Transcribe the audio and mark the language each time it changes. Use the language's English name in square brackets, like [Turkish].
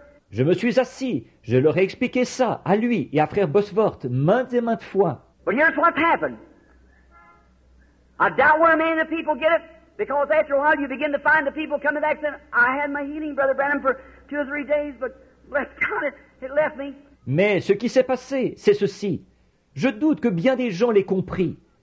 [French] Je me suis assis, je leur ai expliqué ça à lui et à Frère Bosworth maintes et maintes fois. [English] But here's what happened. I doubt where many of the people get it, because after a while you begin to find the people coming back saying, I had my healing, Brother Branham, for two or three days, but bless God, it left me. [French] Mais ce qui s'est passé, c'est ceci. Je doute que bien des gens l'aient compris.